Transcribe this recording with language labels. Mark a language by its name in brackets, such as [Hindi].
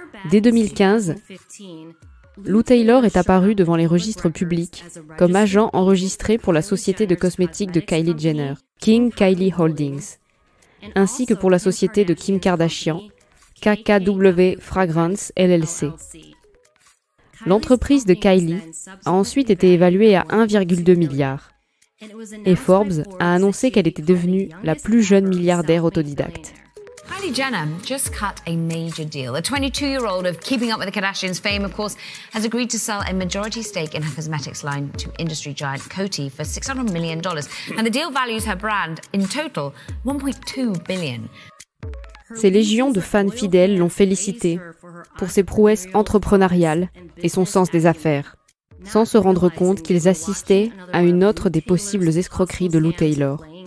[French] Dès 2015, Lou Taylor est apparu devant les registres publics comme agent enregistré pour la société de cosmétiques de Kylie Jenner, King Kylie Holdings, ainsi que pour la société de Kim Kardashian, KKW Fragrance LLC. L'entreprise de Kylie a ensuite été évaluée à 1,2 milliard, et Forbes a annoncé qu'elle était devenue la plus jeune milliardaire autodidacte. [English] Kylie Jenner just cut a major deal. The 22-year-old of Keeping Up with the Kardashians fame, of course, has agreed to sell a majority stake in her cosmetics line to industry giant Coty for $600 million. And the deal values her brand, in total, $1.2 billion. [French] Ses légions de fans fidèles l'ont félicité pour ses prouesses entrepreneuriales et son sens des affaires, sans se rendre compte qu'ils assistaient à une autre des possibles escroqueries de Lou Taylor.